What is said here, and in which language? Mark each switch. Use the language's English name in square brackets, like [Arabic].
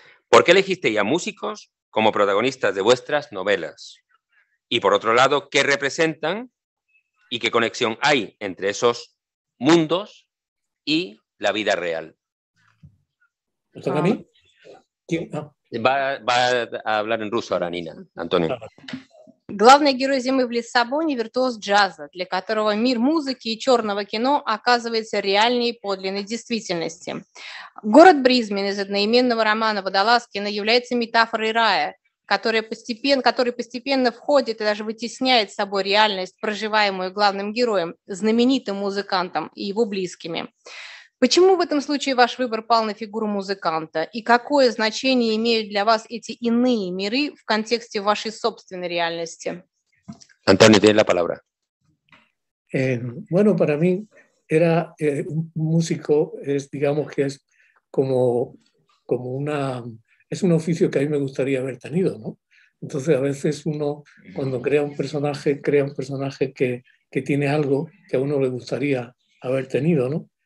[Spanish] ¿Por qué elegiste a músicos como protagonistas de vuestras novelas? Y por otro lado, ¿qué representan y qué conexión hay entre esos mundos y la vida real? ¿Está a mí? Va a hablar en ruso ahora Нина, Антонио. [Russian] Главный герой «Зимы в Лиссабоне» – виртуоз джаза, для которого мир музыки и черного кино оказывается реальнее подлинной действительности. Город Брисбен из одноименного романа Водолазкина является метафорой рая, который постепенно входит и даже вытесняет с собой реальность, проживаемую главным героем, знаменитым музыкантом и его близкими. Почему в этом случае ваш выбор пал на фигуру музыканта? И какое значение имеют для вас эти иные миры в контексте вашей собственной реальности? [Spanish] Антонио, tienes la palabra. Bueno, para mí era un músico, es, digamos que es como una es un oficio que a mí me gustaría haber tenido, ¿no? Entonces, a veces uno cuando crea un personaje que tiene algo que a uno le gustaría haber tenido, ¿no?